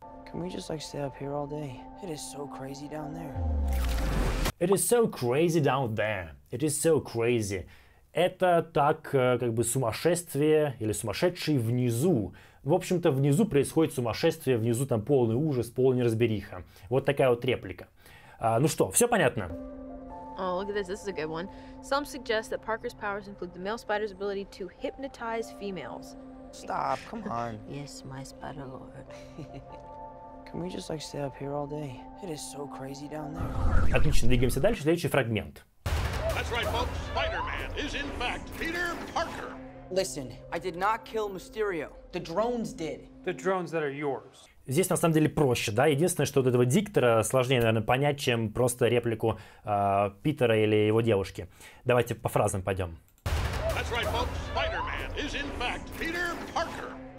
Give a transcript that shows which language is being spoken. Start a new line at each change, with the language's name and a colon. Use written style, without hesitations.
English: Can we just like stay up here all day? It is so crazy down there. It is so crazy down there. It is so crazy.
Russian: Это так, как бы сумасшествие или сумасшедший внизу. В общем-то, внизу происходит сумасшествие, внизу там полный ужас, полная неразбериха. Вот такая вот реплика. Ну что, все понятно?
English: Oh, look at this, this is a good one. Some suggest that Parker's powers include the male spider's ability to hypnotize females. Stop, come on. Yes, my spider lord. Can we just like stay up here all day? It is so crazy down there.
Russian: Отлично, двигаемся дальше, следующий фрагмент.
English: That's right, folks, Spider-Man is in fact Peter Parker. Listen, I did not kill Mysterio. The drones did. The drones that are yours.
Russian: Здесь на самом деле проще, да? Единственное, что вот этого диктора сложнее, наверное, понять, чем просто реплику Питера или его девушки. Давайте по фразам пойдем.
English: That's right, folks. Spider-Man is in fact Peter Parker.